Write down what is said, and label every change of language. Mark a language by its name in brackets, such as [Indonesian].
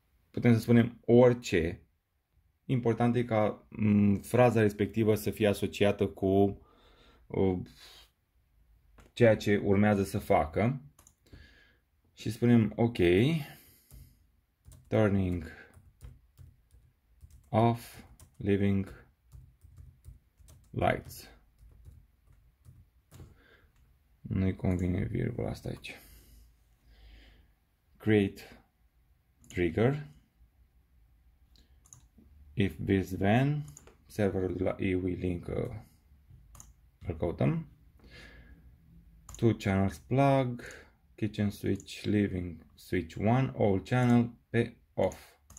[Romanian] Putem să spunem orice. Important e ca fraza respectivă să fie asociată cu ceea ce urmează să facă. Și spunem ok. [English] Turning off living lights. [Romanian] Nu-i convine virgula asta aici. [English] Create trigger. If this then, [Romanian] serverul de la iWi link îl căutăm. [English] Two channels plug, kitchen switch, living switch 1, all channel [Romanian] pe [English] off.